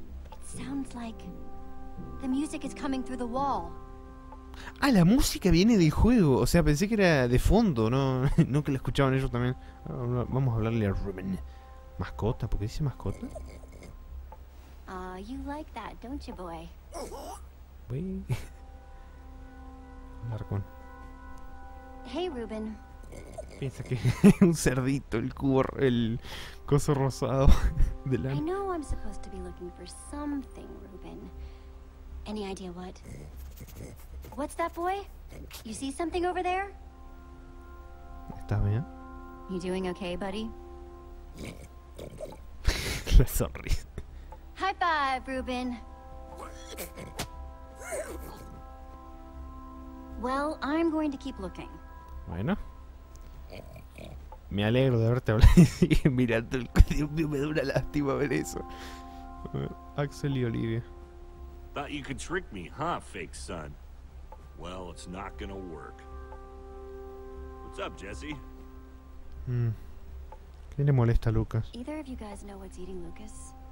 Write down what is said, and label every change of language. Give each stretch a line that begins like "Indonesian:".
English: It sounds like the music is coming through the wall.
Spanish: Ah, la música viene del juego. O sea, pensé que era de fondo, ¿no? Nunca la escuchaban ellos también. Vamos a hablarle a Ruben. ¿Mascota? ¿Por qué dice mascota?
English: Oh, you like that, don't you, boy?
Spanish: Wey. Marcón.
English: Hey, Ruben.
Spanish: Piensa que es un cerdito, el cubo, el coso rosado de la...
English: I know I'm supposed to be looking for something, Ruben. Any idea what? What's that, boy? You see something over there?
Spanish: ¿Estás bien?
English: You doing okay, buddy?
Spanish: La sonrisa.
English: High five, Ruben. Well, I'm going to keep looking.
Spanish: Bueno. Me alegro de haberte hablado. Mirando el cuello, me da una lástima ver eso. Axel y Olivia.
English: Thought you could trick me, huh, fake son? Well, it's not gonna work. What's up, Jesse?
Spanish: ¿Quién le molesta a Lucas?
English: Either of you guys know what's eating Lucas?